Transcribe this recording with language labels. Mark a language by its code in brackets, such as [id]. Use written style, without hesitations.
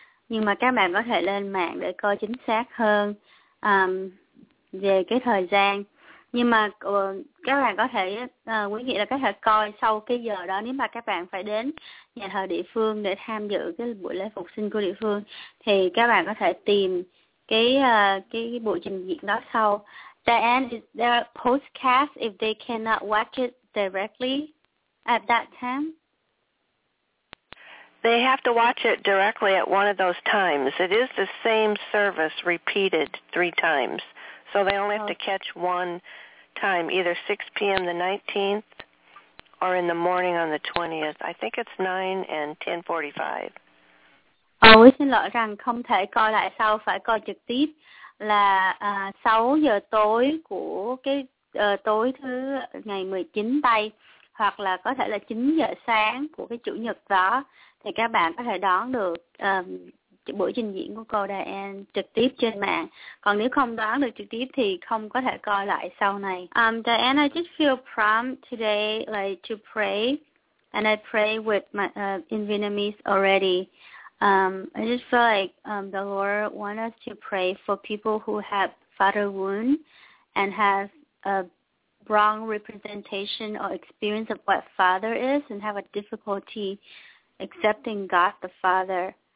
[vi] Nhưng mà các bạn có thể lên mạng để coi chính xác hơn về cái thời gian. Nhưng mà các bạn có thể, quý vị là có thể coi sau cái giờ đó nếu mà các bạn phải đến nhà thờ địa phương để tham dự cái buổi lễ phục sinh của địa phương, thì các bạn có thể tìm cái buổi trình diễn đó sau. [en] Diane, is there a podcast if they cannot watch it directly at that time? They have to watch it directly at one of those times. It is the same service repeated 3 times. So they only have to catch one time, either 6 p.m. the 19th or in the morning on the 20th. I think it's 9 and 10:45. [vi] Quý xin lỗi rằng không thể coi lại sau, phải coi trực tiếp là 6 giờ tối của cái tối thứ ngày 19 Tây, hoặc là có thể là 9 giờ sáng của cái chủ nhật đó, thì các bạn có thể đón được buổi trình diễn của cô Đài An trực tiếp trên mạng. Còn nếu không đoán được trực tiếp thì không có thể coi lại sau này. [en] Diane, I just feel prompt today like to pray, and I pray with my in Vietnamese already. I just feel like the Lord wants us to pray for people who have father wound and have a wrong representation or experience of what father is and have a difficulty accepting God the Father.